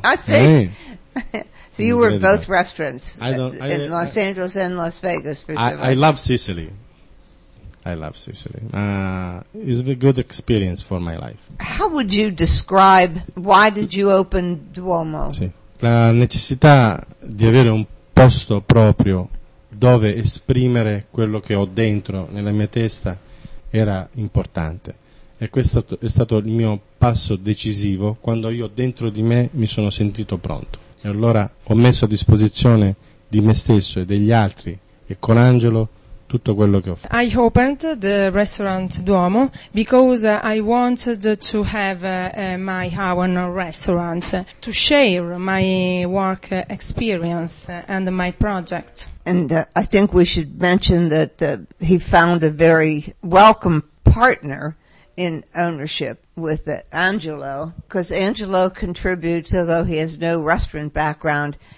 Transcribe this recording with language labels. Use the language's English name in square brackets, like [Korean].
[English] I see. So you were both restaurants in Los Angeles and Las Vegas. For I love Sicily. I love Sicily. It's a good experience for my life. How would you describe why did you open Duomo? [Italian] Sì. La necessità di avere un posto proprio dove esprimere quello che ho dentro nella mia testa era importante. E questo è stato il mio passo decisivo quando io dentro di me mi sono sentito pronto. E allora ho messo a disposizione di me stesso e degli altri e con Angelo tutto quello che ho fatto. [English] I opened the restaurant Duomo because I wanted to have my own restaurant to share my work experience and my project. And I think we should mention that he found a very welcome partner in ownership with Angelo, because Angelo contributes, although he has no restaurant background.